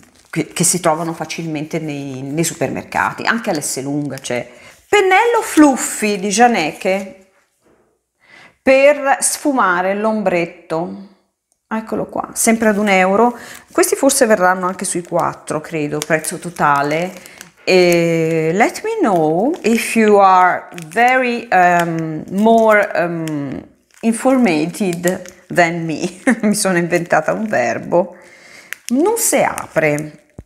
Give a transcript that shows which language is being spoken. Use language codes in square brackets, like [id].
[it] che si trovano facilmente nei supermercati, anche all'Esselunga c'è. Pennello Fluffy di Gianecche per sfumare l'ombretto. Eccolo qua, sempre ad un euro. Questi forse verranno anche sui 4, credo, prezzo totale. [en] E let me know if you are very more informated than me. [it] Mi sono inventata un verbo. Non si apre.